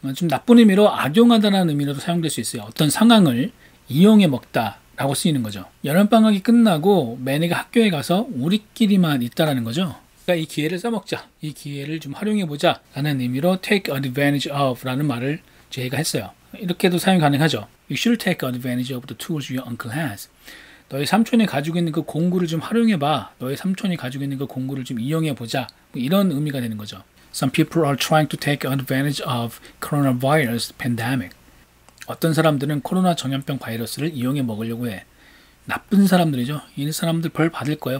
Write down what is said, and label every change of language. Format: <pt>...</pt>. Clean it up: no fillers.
<ko>좀 나쁜 의미로 악용하다라는 의미로도 사용될 수 있어요. 어떤 상황을 이용해 먹다라고 쓰이는 거죠. 여름방학이 끝나고 매니가 학교에 가서 우리끼리만 있다라는 거죠. 그러니까 이 기회를 써먹자, 이 기회를 좀 활용해 보자라는 의미로 take advantage of라는 말을 제가 했어요. 이렇게도 사용 가능하죠.</ko> <en>You should take advantage of the tools your uncle has.</en> <ko>너희 삼촌이 가지고 있는 그 공구를 좀 활용해봐. 너희 삼촌이 가지고 있는 그 공구를 좀 이용해보자. 뭐 이런 의미가 되는 거죠.</ko> <en>Some people are trying to take advantage of coronavirus pandemic.</en> <ko>어떤 사람들은 코로나 전염병 바이러스를 이용해 먹으려고 해. 나쁜 사람들이죠. 이 사람들 벌 받을 거예요.</ko>